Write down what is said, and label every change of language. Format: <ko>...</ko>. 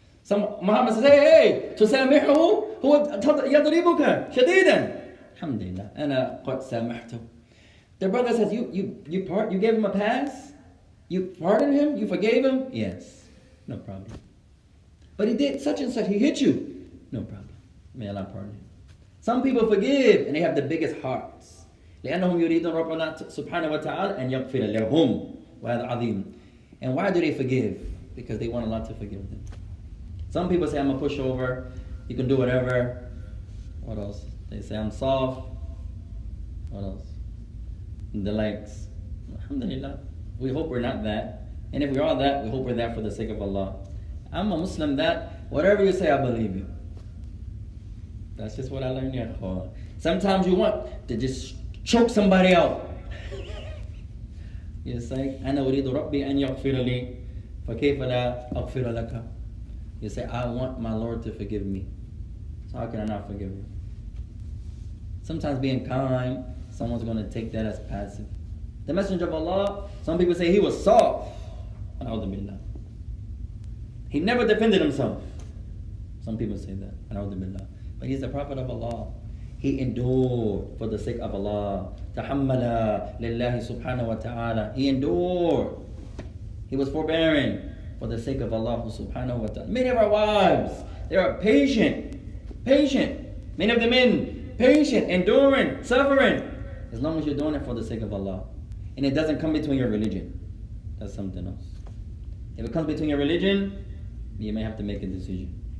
<en>Some Muhammad says, hey,</en> <ar>تُسَامِحُهُ هُوَ يَضْرِبُكَ شَدِيدًا الحمد لله, أَنَا قَدْ سَامِحْتُ</ar> <en>The brother says, you gave him a pass? You pardoned him? You forgave him? Yes. No problem. But he did such and such, he hit you. No problem. May Allah pardon him. Some people forgive, and they have the biggest hearts.</en> <ar>لِأَنَّهُمْ يُرِيدُونَ رَبُّنَا سُبْحَانَهُ وَتَعَالَ أَنْ يَغْفِرَ لَهُمْ وَهَذَا عَظِيمٌ</ar> <en>And why do they forgive? Because they want Allah to forgive them. Some people say, I'm a pushover. You can do whatever. What else? They say, I'm soft. What else? The likes. Alhamdulillah. We hope we're not that. And if we are that, we hope we're that for the sake of Allah. I'm a Muslim that, whatever you say, I believe you. That's just what I learned here. Oh. Sometimes you want to just choke somebody out. You say,</en> <ar>أَنَا أُرِيدُ رَبِّي أَنْ يَغْفِرَ لِي فَكَيْفَ لَا أَغْفِرَ لَكَ</ar> <en>You say, I want my Lord to forgive me. So how can I not forgive you? Sometimes being kind, someone's going to take that as passive. The Messenger of Allah, some people say he was soft.</en> <ar>أَعُوذُ بِاللَّهِ</ar> <en>He never defended himself. Some people say that.</en> <ar>أَعُوذُ بِاللَّهِ</ar> <en>But he's the Prophet of Allah. He endured for the sake of Allah.</en> <ar>تَحَمَّلَ لِلَّهِ سُبْحَانَهُ وَتَعَالَى</ar> <en>He endured. He was forbearing for the sake of Allah subhanahu wa ta'ala. Many of our wives, they are patient. Patient. Many of the men, patient, enduring, suffering. As long as you're doing it for the sake of Allah. And it doesn't come between your religion. That's something else. If it comes between your religion, you may have to make a decision.</en>